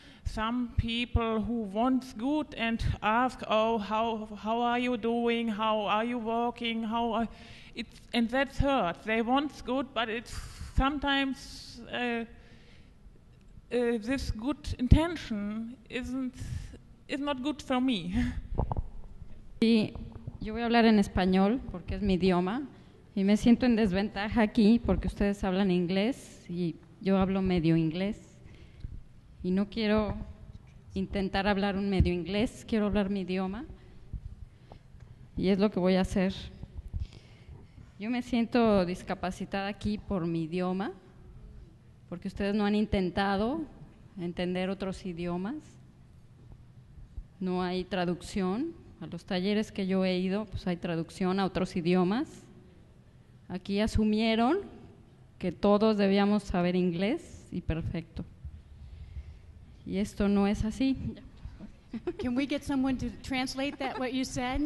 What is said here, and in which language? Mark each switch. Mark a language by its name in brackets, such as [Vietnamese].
[English] Some people who want good and ask, oh, how are you doing, how are you working, how are... It's, and that's hurt. They want good, but it's sometimes... this good intention is not good for me. [Spanish] Sí, yo voy a hablar en español porque es mi idioma y me siento en desventaja aquí porque ustedes hablan inglés y yo hablo medio inglés y no quiero intentar hablar un medio inglés, quiero hablar mi idioma y es lo que voy a hacer. Yo me siento discapacitada aquí por mi idioma porque ustedes no han intentado entender otros idiomas. No hay traducción. A los talleres que yo he ido, pues hay traducción a otros idiomas. Aquí asumieron que todos debíamos saber inglés y perfecto. Y esto no es así. [English] Can we get someone to translate that, what you said?